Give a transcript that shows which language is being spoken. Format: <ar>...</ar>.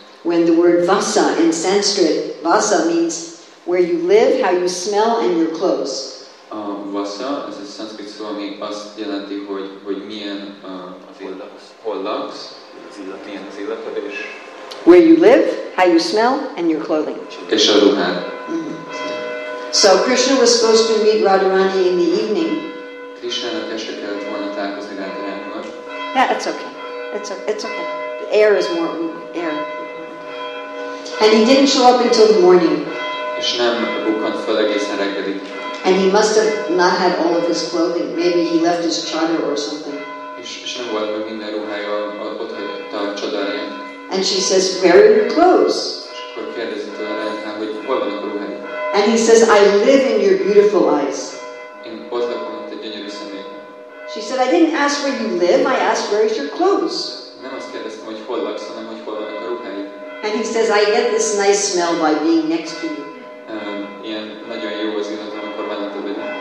<en>When the word vasa in Sanskrit, vasa means where you live, how you smell, and your clothes.</en> <hu>A vasa, ez a Sanskrit szó, ami azt jelenti, hogy milyen az illat, hol laksz, milyen az illatod, és</hu> <en>where you live, how you smell, and your clothing.</en> <hu>És a ruhád.</hu> <en>So Krishna was supposed to meet Radharani in the evening.</en> <hu>Krishnának este kellett volna találkozni Radharanival.</hu> <en>Yeah, it's okay. It's okay. The air is more air. And he didn't show up until the morning.</en> <hu>És nem bukkant fel egészen reggelig.</hu> <en>And he must have not had all of his clothing. Maybe he left his chador or something.</en> <hu>És nem volt meg minden ruhája, ott hagyta a csadarját.</hu> <en>And she says, "Where are your clothes?"</en> <hu>És akkor kérdezi tőle, hogy hol vannak a ruhája.</hu> <en>And he says, "I live in your beautiful eyes."</en> <hu>Én ott lakom a te gyönyörű szemében.</hu> <en>She said, "I didn't ask where you live. I asked where is your clothes."</en> <hu>Nem azt kérdeztem, hogy hol laksz, hanem hogy hol vannak a ruhája.</hu> <en>And he says, "I get this nice smell by being next to you."</en> <hu>Ilyen nagyon jó az illat, amikor benned vagy.</hu>